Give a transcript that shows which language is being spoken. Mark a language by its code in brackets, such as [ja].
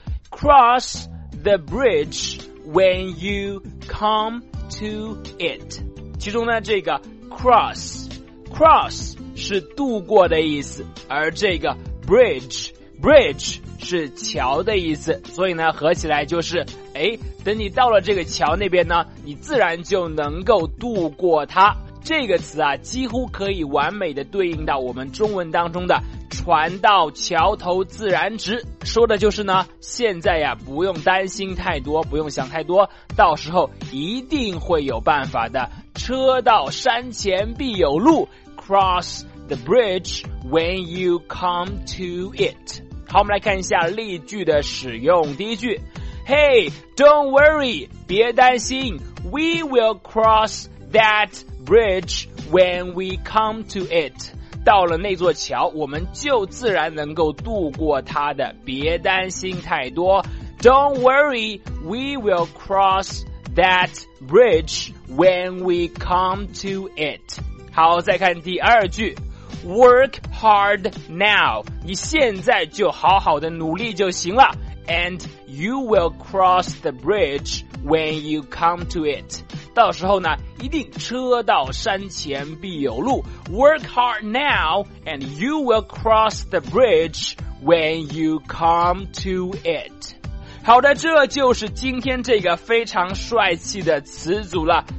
[en] Cross the bridge when you come to it. [zh] 其中呢，这个 cross 是渡过的意思，而这个 bridge 是桥的意思，所以呢合起来就是，哎，等你到了这个桥那边呢，你自然就能够渡过它。这个词啊，几乎可以完美的对应到我们中文当中的船到桥头自然直，说的就是呢，现在呀，不用担心太多，不用想太多，到时候一定会有办法的。车到山前必有路， [en] Cross the bridge when you come to it。 [zh] 好，我们来看一下例句的使用。 [en] 第一句， Hey, don't worry, [zh] 别担心， [en] We will cross that bridge when we come to it。 [zh] 到了那座桥，我们就自然能够渡过它的，别担心太多。 [en] Don't worry, we will cross that bridge when we come to it. [zh] 好，再看第二句， [en] Work hard now. [zh] 你现在就好好的努力就行了。 [en] And you will cross the bridge when you come to it. [zh] 到时候呢，一定车到山前必有路。 [en] Work hard now and you will cross the bridge when you come to it。 [zh] 好的，这就是今天这个非常帅气的词组了。